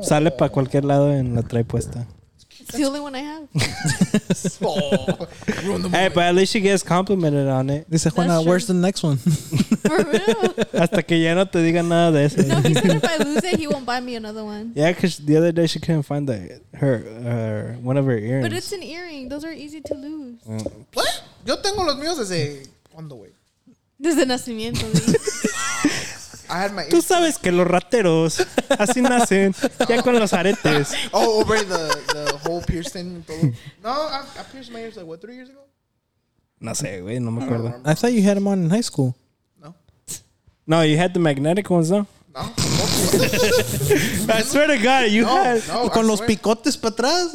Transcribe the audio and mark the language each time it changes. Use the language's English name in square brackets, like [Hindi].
[Spanish] Sale para cualquier lado y la trae puesta. [English] It's the only one I have. Oh. Hey, but at least she gets complimented on it. [Spanish] Dice, [English] Juana, where's the next one? For real. [Spanish] Hasta que ya no te diga nada de eso. [English] No, he said if I lose it, he won't buy me another one. Yeah, because the other day she couldn't find one of her earrings. But it's an earring. Those are easy to lose. What? [Spanish] Yo tengo los míos desde... ¿Cuándo, güey? Desde nacimiento, [English] güey. I had my [Spanish] Tú sabes que los rateros así nacen, ya con los aretes. [English] Oh, over the whole piercing. No, I pierced my ears, like, what, 3 years ago? [Spanish] No sé, güey, no me acuerdo. [English] I thought you had them on in high school. No. No, you had the magnetic ones, though. No. I swear to God, you had... [Spanish] No, con los picotes para atrás.